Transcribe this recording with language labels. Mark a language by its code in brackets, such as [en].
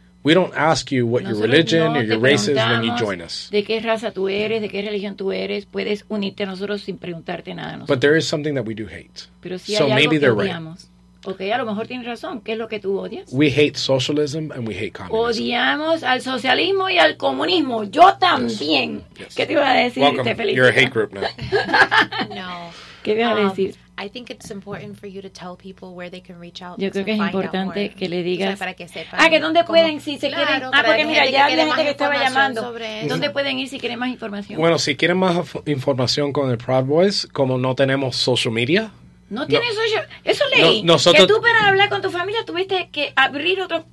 [en] We don't ask you what your religion or your race is when you join us. [es] De qué raza tú eres, de qué religión tú eres, puedes unirte a nosotros sin preguntarte nada. [en] But there is something that we do hate. [es] Pero si hay algo que odiamos. Okay, a lo mejor tienes razón. ¿Qué es lo que tú odias? [en] We hate socialism and we hate communism. [es] Odiamos al socialismo y al comunismo. Yo también. [en] Yes. [es] ¿Qué te iba a decir? [en] Welcome. You're a hate group now. [es] No. ¿Qué te iba a decir? [en] I think it's important for you to tell people where they can reach out. [es] Yo creo que es importante que le digas. O sea, para que sepan. Ah, que dónde cómo, pueden, si se quieren. Claro, ah, porque mira, ya había gente que estaba llamando. Sobre ¿dónde pueden ir si quieren más información? Bueno, si quieren más información con el Proud Boys, como no tenemos social media. No tienes social. Eso leí. No, nosotros, que tú para hablar con tu familia tuviste que abrir otro.